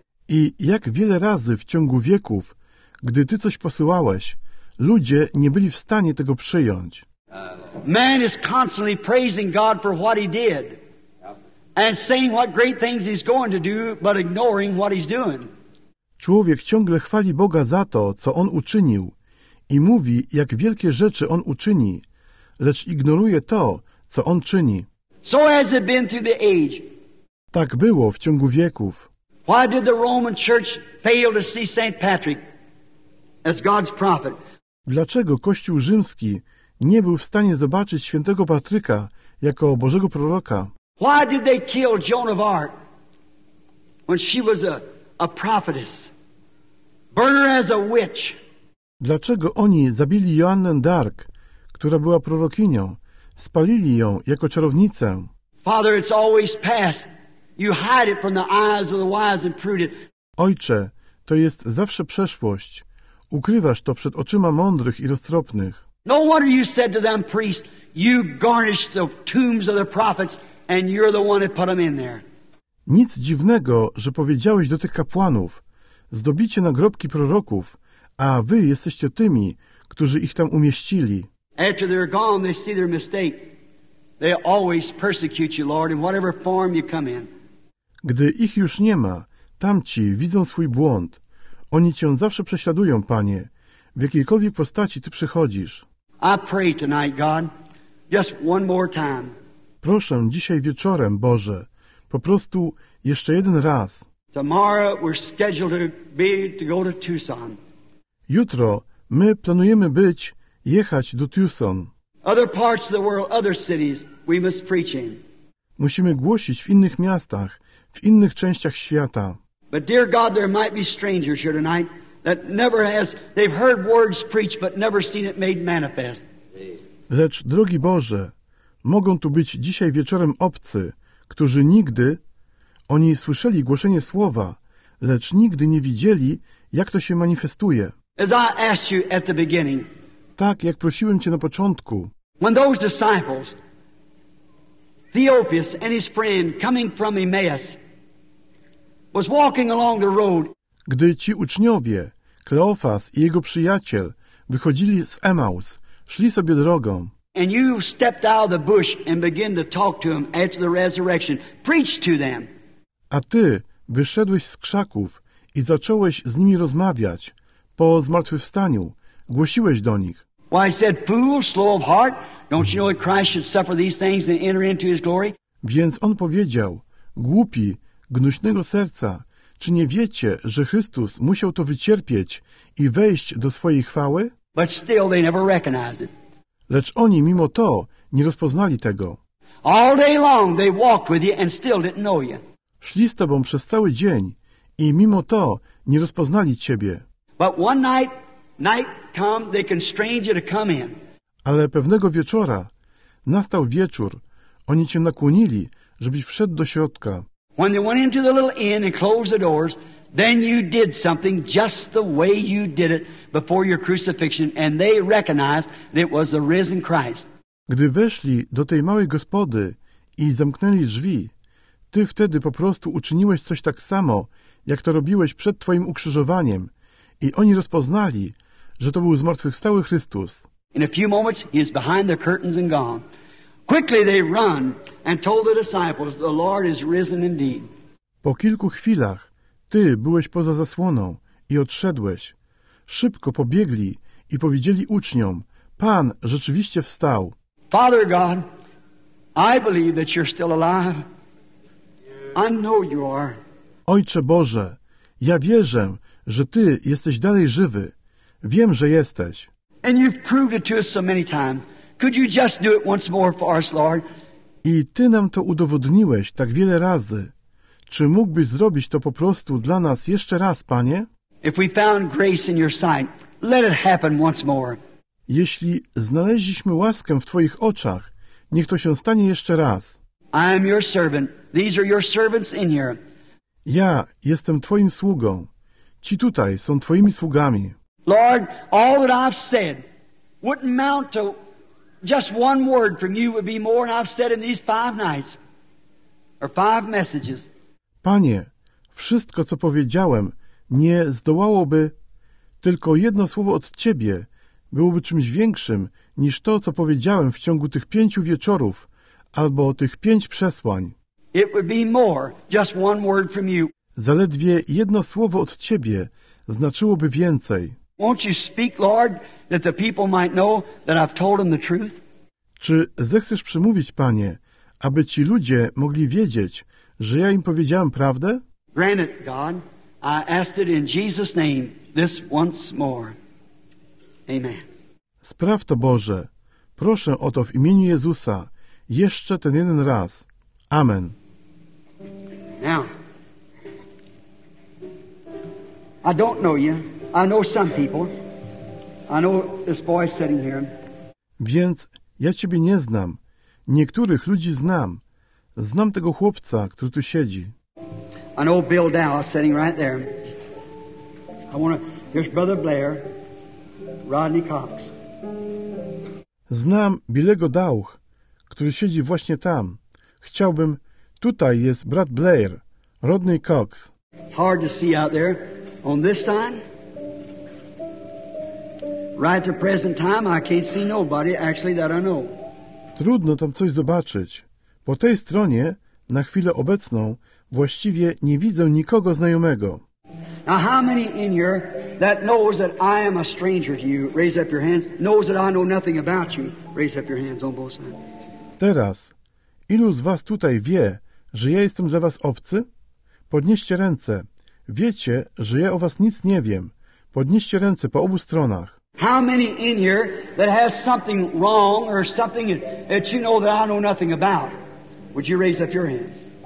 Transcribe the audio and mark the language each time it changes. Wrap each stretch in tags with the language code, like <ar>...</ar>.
<pl>I jak wiele razy w ciągu wieków, gdy ty coś posyłałeś, ludzie nie byli w stanie tego przyjąć.</pl> <en>Man is constantly praising God for what he did and saying what great things he's going to do, but ignoring what he's doing.</en> <pl>Człowiek ciągle chwali Boga za to, co on uczynił. I mówi, jak wielkie rzeczy on uczyni, lecz ignoruje to, co on czyni.</pl> <en>So has it been through the age.</en> <pl>Tak było w ciągu wieków.</pl> <en>Why did the Roman Church fail to see Saint Patrick as God's prophet?</en> <pl>Dlaczego Kościół Rzymski nie był w stanie zobaczyć świętego Patryka jako Bożego proroka?</pl> <en>Why did they kill Joan of Arc when she was a prophetess? Burn her as a witch.</en> <pl>Dlaczego oni zabili Joannę d'Arc, która była prorokinią, spalili ją jako czarownicę?</pl> <en>Father, it's always past. You hide it from the eyes of the wise and prudent.</en> <pl>Ojcze, to jest zawsze przeszłość. Ukrywasz to przed oczyma mądrych i roztropnych.</pl> <en>No wonder you said to them priests, you garnish the tombs of the prophets and you're the one that put them in there.</en> <pl>Nic dziwnego, że powiedziałeś do tych kapłanów, zdobicie nagrobki proroków, a wy jesteście tymi, którzy ich tam umieścili.</pl> <en>After they're gone, they see their mistake. They always persecute you, Lord, in whatever form you come in.</en> <pl>Gdy ich już nie ma, tamci widzą swój błąd. Oni cię zawsze prześladują, Panie, w jakiejkolwiek postaci ty przychodzisz.</pl> <en>I pray tonight, God, just one more time.</en> <pl>Proszę dzisiaj wieczorem, Boże, po prostu jeszcze jeden raz.</pl> <en>Tomorrow we're scheduled to go to Tucson.</en> <pl>Jutro my planujemy być, jechać do Tucson.</pl> <en>Other parts of the world, other cities, we must preach in.</en> <pl>Musimy głosić w innych miastach, w innych częściach świata.</pl> <en>But dear God, there might be strangers here tonight that never has, they've heard words preached, but never seen it made manifest.</en> <pl>Lecz, drogi Boże, mogą tu być dzisiaj wieczorem obcy, którzy nigdy, oni słyszeli głoszenie słowa, lecz nigdy nie widzieli, jak to się manifestuje.</pl> <en>As I asked you at the beginning,</en> <pl>tak, jak prosiłem Cię na początku,</pl> <en>when those disciples, Theopius and his friend coming from Emmaus, was walking along the road,</en> <pl>gdy ci uczniowie, Kleofas i jego przyjaciel, wychodzili z Emaus, szli sobie drogą,</pl> <en>and you stepped out of the bush and began to talk to them after the resurrection, preach to them.</en> <pl>A ty wyszedłeś z krzaków i zacząłeś z nimi rozmawiać. Po zmartwychwstaniu głosiłeś do nich.</pl> <en>Why said, fool, slow of heart, don't you know that Christ should suffer these things and enter into his glory?</en> <pl>Więc on powiedział, głupi, gnuśnego serca, czy nie wiecie, że Chrystus musiał to wycierpieć i wejść do swojej chwały?</pl> <en>But still they never recognized it.</en> <pl>Lecz oni mimo to nie rozpoznali tego.</pl> <en>All day long they walked with you and still didn't know you.</en> <pl>Szli z tobą przez cały dzień i mimo to nie rozpoznali ciebie.</pl> <en>But one night, night come, they constrained you to come in.</en> <pl>Ale pewnego wieczora, nastał wieczór, oni cię nakłonili, żebyś wszedł do środka.</pl> <en>When they went into the little inn and closed the doors, then you did something just the way you did it before your crucifixion, and they recognized that it was the risen Christ.</en> <pl>Gdy weszli do tej małej gospody i zamknęli drzwi, ty wtedy po prostu uczyniłeś coś tak samo, jak to robiłeś przed twoim ukrzyżowaniem, i oni rozpoznali, że to był zmartwychwstały Chrystus.</pl> <en>In a few moments he is behind the curtains and gone. Quickly they run and told the disciples, the Lord is risen indeed.</en> <pl>Po kilku chwilach ty byłeś poza zasłoną i odszedłeś. Szybko pobiegli i powiedzieli uczniom, Pan rzeczywiście wstał.</pl> <en>Father God, I believe that you're still alive. I know you are.</en> <pl>Ojcze Boże, ja wierzę, że ty jesteś dalej żywy. Wiem, że jesteś.</pl> <en>And you've proved it to us so many times. Could you just do it once more for us, Lord?</en> <pl>I ty nam to udowodniłeś tak wiele razy. Czy mógłbyś zrobić to po prostu dla nas jeszcze raz, Panie?</pl> <en>If we found grace in your sight, let it happen once more.</en> <pl>Jeśli znaleźliśmy łaskę w twoich oczach, niech to się stanie jeszcze raz.</pl> <en>I am your servant. These are your servants in here.</en> <pl>Ja jestem twoim sługą. Ci tutaj są twoimi sługami.</pl> <en>Lord, all that I've said wouldn't amount to just one word from you would be more than I've said in these five nights or five messages.</en> <pl>Panie, wszystko co powiedziałem nie zdołałoby, tylko jedno słowo od Ciebie byłoby czymś większym niż to co powiedziałem w ciągu tych pięciu wieczorów albo tych pięć przesłań.</pl> <en>It would be more, just one word from you.</en> <pl>Zaledwie jedno słowo od Ciebie znaczyłoby więcej.</pl> <en>Won't you speak, Lord, that the people might know that I've told them the truth?</en> <pl>Czy zechcesz przemówić, Panie, aby ci ludzie mogli wiedzieć, że ja im powiedziałem prawdę?</pl> <en>Grant it, God. I asked it in Jesus' name this once more. Amen.</en> <pl>Spraw to, Boże. Proszę o to w imieniu Jezusa. Jeszcze ten jeden raz. Amen.</pl> <en>Now, I don't know you. I know some people. I know this boy sitting here.</en> <pl>Więc ja ciebie nie znam. Niektórych ludzi znam. Znam tego chłopca, który tu siedzi.</pl> <en>I know Bill Dow sitting right there. I want to. Here's Brother Blair, Rodney Cox.</en> <pl>Znam Billego Dow, który siedzi właśnie tam. Chciałbym. Tutaj jest brat Blair, Rodney Cox.</pl> <en>It's hard to see out there on this side. Right at the present time, I can't see nobody actually that I know.</en> <pl>Trudno tam coś zobaczyć. Po tej stronie, na chwilę obecną, właściwie nie widzę nikogo znajomego.</pl> <en>Now, how many in here that knows that I am a stranger to you? Raise up your hands. Knows that I know nothing about you? Raise up your hands on both sides.</en> <pl>Teraz, ilu z was tutaj wie, że ja jestem dla was obcy? Podnieście ręce. Wiecie, że ja o was nic nie wiem. Podnieście ręce po obu stronach.</pl> <en>How many in here that has something wrong or something that you know that I know nothing about? Would you raise up your hands?</en>